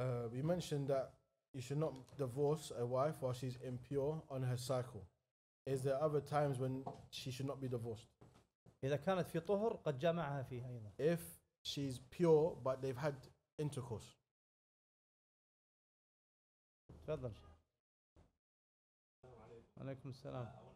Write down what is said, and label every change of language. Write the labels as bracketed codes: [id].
[en] we mentioned that you should not divorce a wife while she's impure on her cycle is there other times when she should not be divorced [ar] إذا كانت في طهر قد جمعها فيها أيضا. [en] If she's pure but they've had intercourse. [ar] تفضل. عليكم السلام.